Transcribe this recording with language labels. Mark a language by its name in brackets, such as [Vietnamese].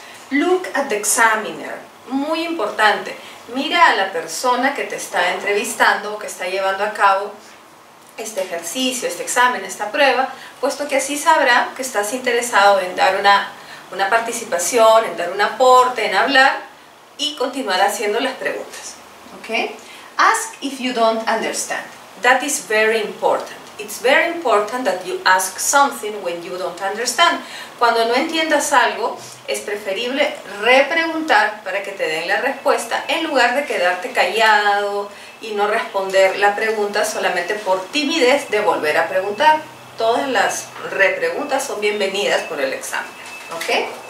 [English] Look at the examiner. [Spanish] Muy importante. Mira a la persona que te está entrevistando o que está llevando a cabo este ejercicio, este examen, esta prueba, puesto que así sabrá que estás interesado en dar una participación, en dar un aporte, en hablar y continuar haciendo las preguntas. [English] Okay? Ask if you don't understand. That is very important. It's very important that you ask something when you don't understand. [Spanish] Cuando no entiendas algo, es preferible repreguntar para que te den la respuesta en lugar de quedarte callado y no responder la pregunta solamente por timidez de volver a preguntar. Todas las repreguntas son bienvenidas por el examen. ¿Okay?